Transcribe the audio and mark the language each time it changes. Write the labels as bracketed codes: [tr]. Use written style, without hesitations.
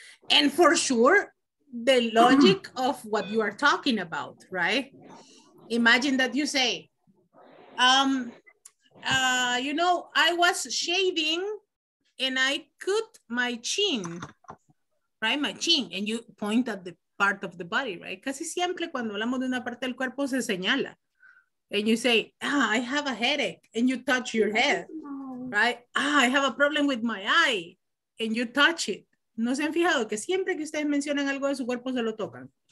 [en] And for sure, the logic of what you are talking about, right? Imagine that you say, you know, I was shaving and I cut my chin, right? My chin. And you point at the part of the body, right? [es] Casi siempre cuando hablamos de una parte del cuerpo se señala. [en] And you say, ah, I have a headache. And you touch your head, right? Ah, I have a problem with my eye. And you touch it. [es] ¿No se han fijado que siempre que ustedes mencionan algo de su cuerpo se lo tocan?